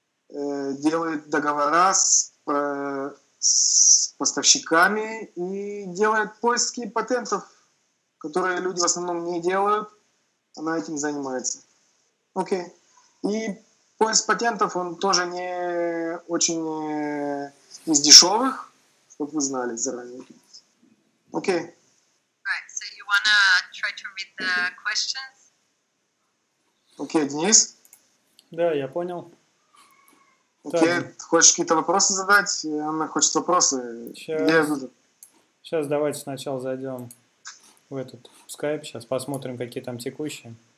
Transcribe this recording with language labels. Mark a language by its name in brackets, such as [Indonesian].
[Russian] Делает договора с поставщиками и делает поиски патентов, которые люди в основном не делают. Она этим занимается. Окей. И поиск патентов, он тоже не очень из дешевых, чтобы вы знали заранее. Окей. [English] Alright, so you wanna try to read the questions? [Russian] Окей, Денис? Да, я понял. Окей, okay. Хочешь какие-то вопросы задать? Анна хочет вопросы. Сейчас давайте сначала зайдем в этот в Skype. Сейчас посмотрим, какие там текущие.